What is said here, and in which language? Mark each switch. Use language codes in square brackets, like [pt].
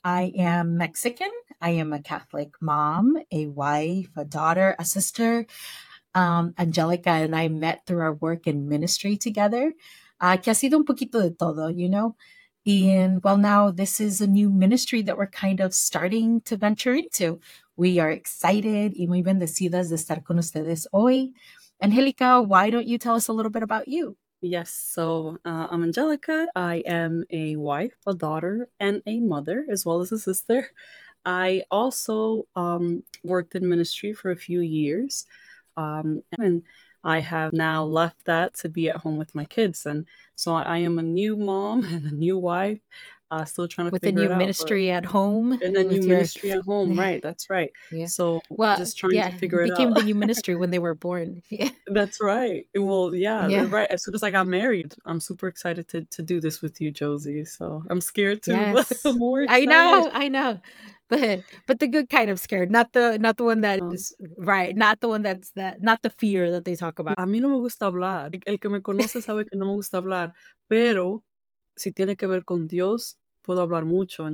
[en] I am Mexican. I am a Catholic mom, a wife, a daughter, a sister. Angelica and I met through our work in ministry together. [es] Que ha sido un poquito de todo, [en] you know? And well, now this is a new ministry that we're kind of starting to venture into. We are excited [es] y muy bendecidas de estar con ustedes hoy. [en] Angelica, why don't you tell us a little bit about you? Yes, so I'm Angelica. I am a wife, a daughter, and a mother, as well as a sister. I also worked in ministry for a few years, and I have now left that to be at home with my kids. And so I am a new mom and a new wife, still trying to with figure it out. With a new ministry at home. And a new ministry at home, right, that's right. Yeah. So well, just trying to figure it out. Became the new ministry when they were born. Yeah. That's right. Well, yeah, right. As soon as I got married, I'm super excited to do this with you, Josie. So I'm scared too. Yes. More excited. I know. But the good kind of scared, not the one that is right, not the one that's that, not the fear that they talk about. [es] A mí no me gusta hablar. El que me conoce sabe que no me gusta hablar. Pero si tiene que ver con Dios, puedo hablar mucho.